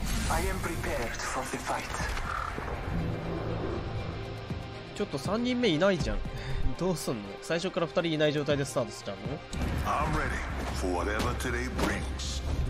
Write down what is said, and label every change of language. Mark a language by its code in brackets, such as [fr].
[en] I am prepared for the fight. [ja] ちょっと3人目いないじゃん。どうすんの？最初から2人いない状態でスタートしちゃうの？ [en] I'm ready for whatever today brings.